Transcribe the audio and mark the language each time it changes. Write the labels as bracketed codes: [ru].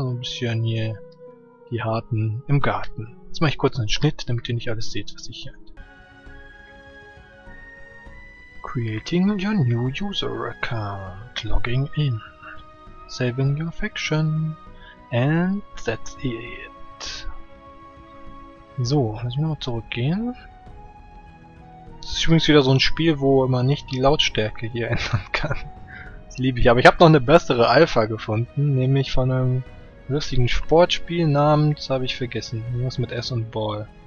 [de] So ein bisschen hier die Harten im Garten. Jetzt mache ich kurz einen Schnitt, damit ihr nicht alles seht, was ich hier. [en] Creating your new user account, logging in, saving your faction, and that's it. [de] So, lass mich nochmal zurückgehen. Das ist übrigens wieder so ein Spiel, wo man nicht die Lautstärke hier ändern kann. Das liebe ich, aber ich habe noch eine bessere Alpha gefunden, nämlich von einem lustigen Sportspiel namens, habe ich vergessen, irgendwas mit S und Ball.